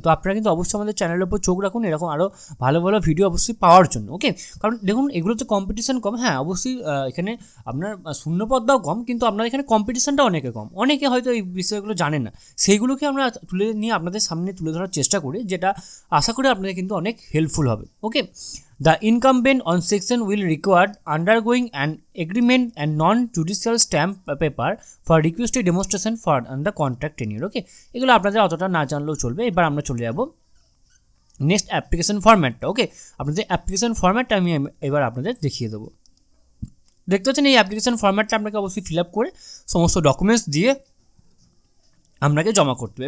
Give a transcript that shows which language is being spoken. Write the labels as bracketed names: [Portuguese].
[Bangla] তো আপনারা কিন্তু অবশ্যই আমাদের চ্যানেলের উপর চোখ রাখুন এরকম আরও ভালো ভালো ভিডিও অবশ্যই পাওয়ার জন্য। ওকে, কারণ দেখুন এগুলো তো কম্পিটিশন কম, হ্যাঁ অবশ্যই এখানে আপনার শূন্যপদটাও কম, কিন্তু আপনার এখানে কম্পিটিশনটা অনেকে কম, অনেকে হয়তো এই বিষয়গুলো জানেন না, সেইগুলোকে আমরা তুলে নিয়ে আপনাদের সামনে তুলে ধরার চেষ্টা করি, যেটা আশা করি আপনাদের কিন্তু অনেক হেল্পফুল হবে। ওকে, [English] The incumbent on section will require undergoing an agreement and non-judicial stamp paper for requested demonstration for the contract tenure. [Bangla] Okay, এগুলো আপনাদের অতটা না জানলেও চলবে। এবার আমরা চলে যাব নেক্সট অ্যাপ্লিকেশন ফরম্যাটটা। ওকে, আপনাদের অ্যাপ্লিকেশন ফরম্যাটটা আমি এবার আপনাদের দেখিয়ে দেবো। দেখতে পাচ্ছেন এই অ্যাপ্লিকেশন ফরম্যাটটা আপনাকে অবশ্যই ফিল আপ করে সমস্ত ডকুমেন্টস দিয়ে আপনাকে জমা করতে হবে।